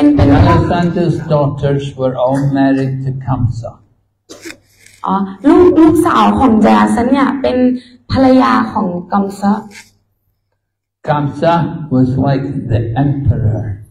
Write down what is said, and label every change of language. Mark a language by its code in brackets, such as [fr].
[en] Jarasandha's daughters were all married to Kamsa. [th] ลูกสาวของจารสันดาเป็นภรรยาของกัมสะ [en] Kamsa was like the emperor.